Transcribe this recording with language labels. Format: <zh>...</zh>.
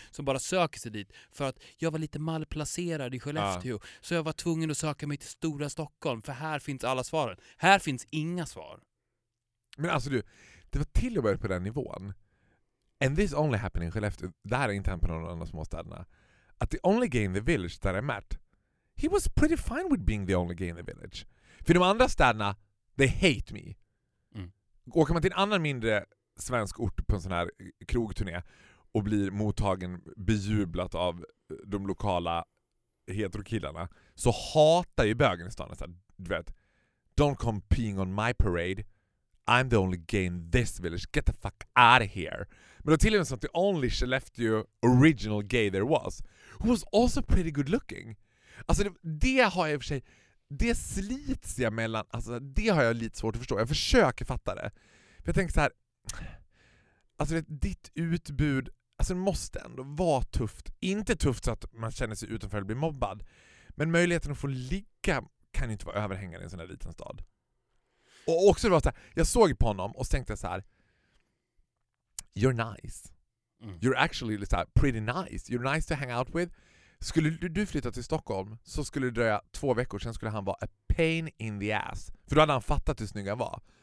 <sv>Som bara söker sig dit för att jag var lite malplacerad i Skellefteå. Ja. Så jag var tvungen att söka mig till stora Stockholm. För här finns alla svaren. Här finns inga svar. Men alltså du, det var till och med på den nivån.</sv> <en>And this only happened in Skellefteå.</en> <sv>Det här är inte hänt på någon annan småstäderna.</sv> <en>At the only gay in the village that I met, he was pretty fine with being the only gay in the village.</en> <sv>För de andra städerna,</sv> <en>they hate me.</en> <sv>Mm. Åker man till en annan mindre svensk ort på en sån här krogturné och blir mottagen, bejublat av de lokala heterokillarna, så hatar ju bögen i stan. Så, du vet,</sv> <en>don't come peeing on my parade. I'm the only gay in this village. Get the fuck out of here.</en> <sv>Men då till och med sånt,</sv> <en>the only Skellefteå original gay there was, who was also pretty good looking.</en> <sv>Alltså det har jag i och för sig, det slits jag mellan, alltså det har jag lite svårt att förstå. Jag försöker fatta det. För jag tänker så här, alltså vet, ditt utbud, alltså det måste ändå vara tufft. Inte tufft så att man känner sig utanför och blir mobbad. Men möjligheten att få ligga kan ju inte vara överhängande i en sån här liten stad. Och också var så här, jag såg på honom och tänkte så här,</sv> <en>you're nice. Mm. You're actually like, pretty nice. You're nice to hang out with.</en> <sv>Skulle du flytta till Stockholm så skulle det dröja 2 veckor. Sen skulle han vara</sv> <en>a pain in the ass.</en> <sv>För då hade han fattat hur snygg han var.</sv>